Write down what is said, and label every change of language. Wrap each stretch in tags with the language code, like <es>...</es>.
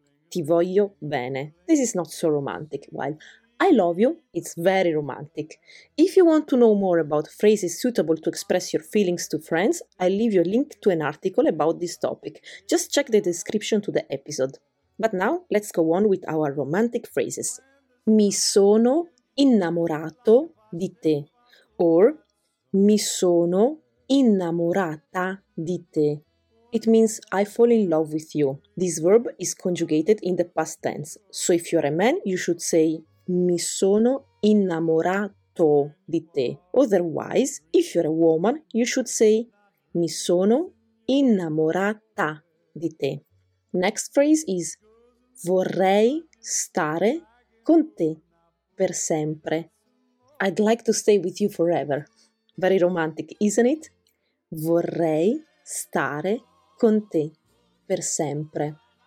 <it>Ti voglio bene.</it> <en>This is not so romantic, while I love you, it's very romantic. If you want to know more about phrases suitable to express your feelings to friends, I'll leave you a link to an article about this topic. Just check the description to the episode. But now, let's go on with our romantic phrases.</en> <it>Mi sono innamorato di te. Or, mi sono innamorata di te.</it> <en>It means I fall in love with you. This verb is conjugated in the past tense. So if you're a man, you should say</en> <it>mi sono innamorato di te.</it> <en>Otherwise, if you're a woman, you should say</en> <it>mi sono innamorata di te.</it> <en>Next phrase is</en> <it>vorrei stare con te per sempre.</it> <en>I'd like to stay with you forever. Very romantic, isn't it?</en> <it>Vorrei stare con te per sempre.</it>